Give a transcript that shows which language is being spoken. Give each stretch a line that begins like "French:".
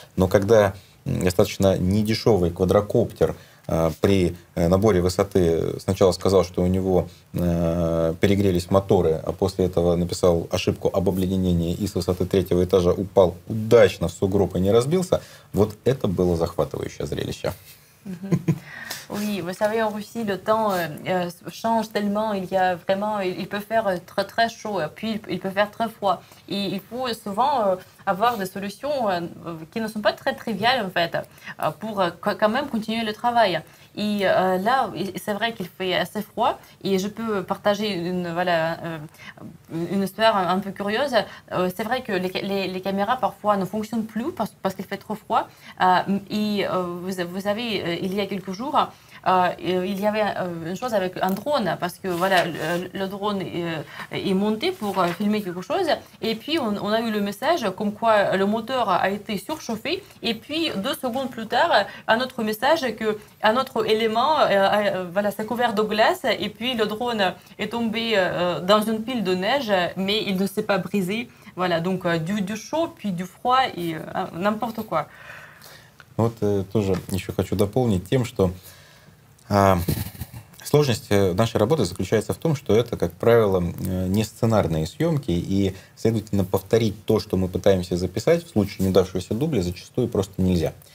Russian: Но когда достаточно недешевый квадрокоптер при наборе высоты сначала сказал, что у него перегрелись моторы, а после этого написал ошибку об обледенении и с высоты третьего этажа упал удачно в сугроб и не разбился, вот это было захватывающее зрелище.
French: Oui, vous savez, en Russie, le temps change tellement, il y a vraiment, il peut faire très très chaud, puis il peut faire très froid. Et il faut souvent avoir des solutions qui ne sont pas très triviales, en fait, pour quand même continuer le travail. Et là, c'est vrai qu'il fait assez froid, et je peux partager une histoire un peu curieuse. C'est vrai que les caméras, parfois, ne fonctionnent plus parce qu'il fait trop froid. Et vous savez, il y a quelques jours, il y avait une chose avec un drone, parce que voilà, le drone est monté pour filmer quelque chose, et puis on a eu le message comme quoi le moteur a été surchauffé, et puis deux secondes plus tard, un autre message que un autre élément voilà, s'est couvert de glace, et puis le drone est tombé dans une pile de neige, mais il ne s'est pas brisé, voilà, donc du chaud, puis du froid, et n'importe quoi.
Russian: Вот тоже еще хочу дополнить тем, что сложность нашей работы заключается в том, что это, как правило, не сценарные съемки, и, следовательно, повторить то, что мы пытаемся записать в случае неудавшегося дубля, зачастую просто нельзя.